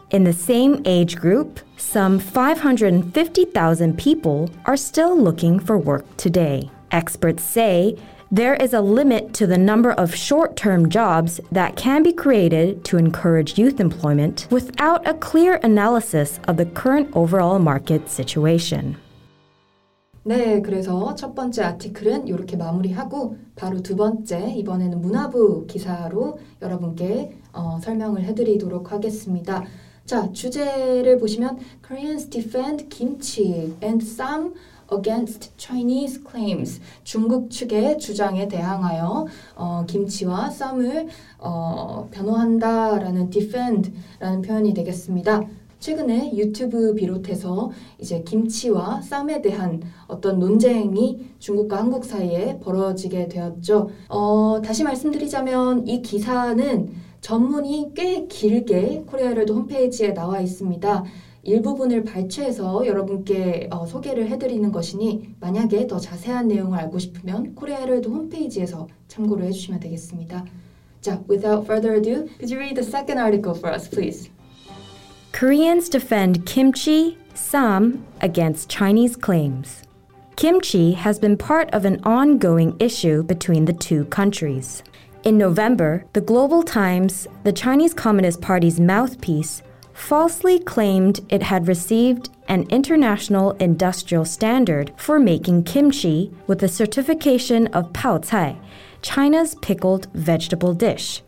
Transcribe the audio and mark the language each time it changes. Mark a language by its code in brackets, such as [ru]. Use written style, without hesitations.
[en] In the same age group, some 550,000 people are still looking for work today. Experts say there is a limit to the number of short-term jobs that can be created to encourage youth employment without a clear analysis of the current overall market situation. [ko] 네, 그래서 첫 번째 아티클은 이렇게 마무리하고 바로 두 번째, 이번에는 문화부 기사로 여러분께 설명을 해드리도록 하겠습니다. [en] 자, [ko] 주제를 보시면 [en] Koreans defend kimchi and some against Chinese claims. [ko] 중국 측의 주장에 대항하여 김치와 쌈을 변호한다라는 defend라는 표현이 되겠습니다. 최근에 유튜브 비롯해서 이제 김치와 쌈에 대한 어떤 논쟁이 중국과 한국 사이에 벌어지게 되었죠. 다시 말씀드리자면 이 기사는 전문이 꽤 길게 코리아일드 홈페이지에 나와 있습니다. 일부분을 발췌해서 여러분께 소개를 해드리는 것이니 만약에 더 자세한 내용을 알고 싶으면 코리아일드 홈페이지에서 참고를 해주시면 되겠습니다. [en] 자, without further ado, could you read the second article for us, please? Koreans defend kimchi, sam, against Chinese claims. Kimchi has been part of an ongoing issue between the two countries. In November, the Global Times, the Chinese Communist Party's mouthpiece, falsely claimed it had received an international industrial standard for making kimchi with a certification of pao cai, China's pickled vegetable dish.